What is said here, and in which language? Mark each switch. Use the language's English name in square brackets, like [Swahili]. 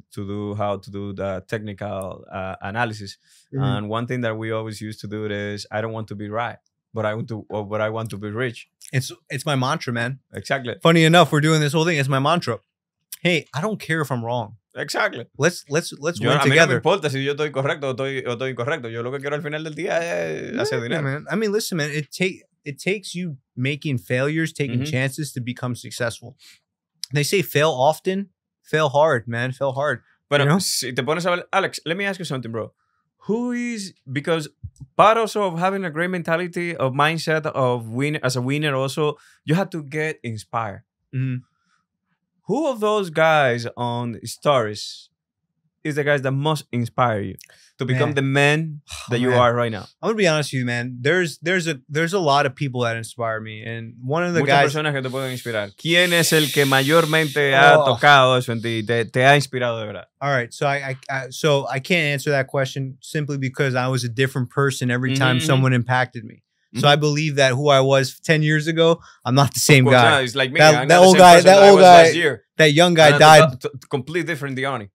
[English] And I started to do the technical analysis. Mm-hmm. And one thing that we always used to do is I don't want to be right. But I want to be rich. It's my mantra, man. Exactly. Funny enough, we're doing this whole thing. It's my mantra. Hey, I don't care if I'm wrong. Exactly. Let's work together. [Spanish] A mí no me importa si yo estoy correcto o estoy incorrecto. Yo lo que quiero al final del día es hacer dinero. [English] Man. I mean, listen, man. It takes you making failures, taking chances to become successful. They say fail often, fail hard, man. Fail hard. [Spanish] Bueno, [English] you know? [Spanish] Si te pones a ver, [English] Alex, let me ask you something, bro. Because part also of having a great mentality of mindset of win as a winner also, you have to get inspired. Mm-hmm. Who of those guys on stories is the guys that most inspire you to become the man that you are right now? I'm going to be honest with you, man. There's a lot of people that inspire me. And one of the [Spanish] personas que te pueden inspirar. ¿Quién es el que mayormente ha tocado eso en ti? ¿Te ha inspirado de verdad? [English] All right. So I can't answer that question simply because I was a different person every time someone impacted me. So I believe that who I was 10 years ago, I'm not the same guy. No, he's like me. That old guy, that young guy died. Completely different Diony.